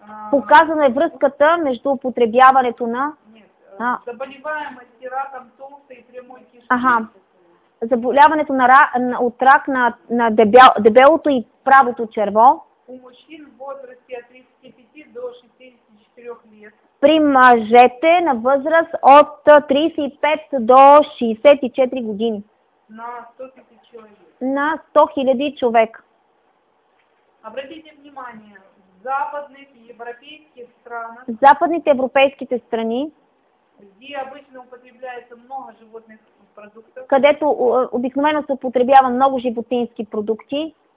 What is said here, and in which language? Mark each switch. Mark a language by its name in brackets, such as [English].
[Bulgarian] Показана е връзката между употребяването на [Russian] заболеваемости раком толстой и прямой кишки. Ага. [Bulgarian] Заболяването на от рак на дебелото и правото черво. [Russian] У мужчин в възрасте от 35 до 64 лет. [Bulgarian] При мъжете на възраст от 35 до 64 години. На 100 000 човек. На 100 000 човек. [Russian] Обратите внимание. Западных европейских странах. [Bulgarian] Западните европейските страни. [Russian] Где обычно употребляется много животных продуктов. [Bulgarian] Където обикновено се употребява много животински продукти.